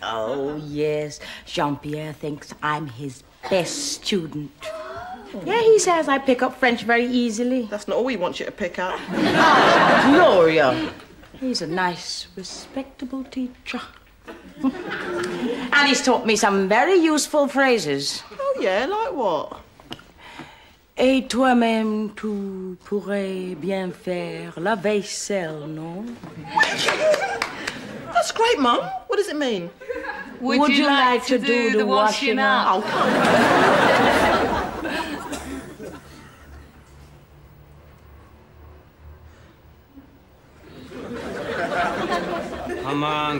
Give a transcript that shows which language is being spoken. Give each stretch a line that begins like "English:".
English: Oh, yes. Jean-Pierre thinks I'm his best student. Yeah, he says I pick up French very easily. That's not all he wants you to pick up. Gloria. He's a nice, respectable teacher. And he's taught me some very useful phrases. Oh, yeah, like what?
French: Et toi-même, tu pourrais bien faire la vaisselle, non?
English: That's great, Mum. What does it mean? Would you like to do the washing up? Oh, come on.